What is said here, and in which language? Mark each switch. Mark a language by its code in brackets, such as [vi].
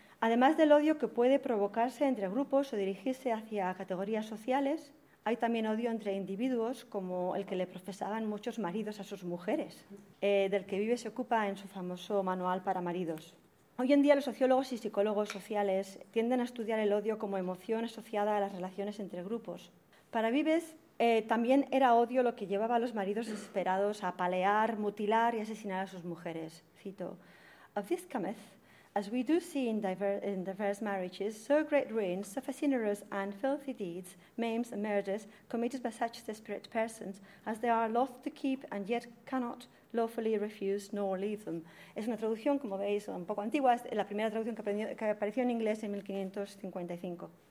[es] Además del odio que puede provocarse entre grupos o dirigirse hacia categorías sociales, hay también odio entre individuos, como el que le profesaban muchos maridos a sus mujeres, del que Vives se ocupa en su famoso manual para maridos. Hoy en día los sociólogos y psicólogos sociales tienden a estudiar el odio como emoción asociada a las relaciones entre grupos. Para Vives también era odio lo que llevaba a los maridos desesperados a apalear, mutilar y asesinar a sus mujeres. [en] Cito, «Of this cometh, as we do see in diverse marriages, so great ruins, so fascinerous and filthy deeds, maims and murders committed by such desperate persons, as they are loath to keep and yet cannot lawfully refuse nor leave them». [es] Es una traducción, como veis, un poco antigua, es la primera traducción que apareció en inglés en 1555.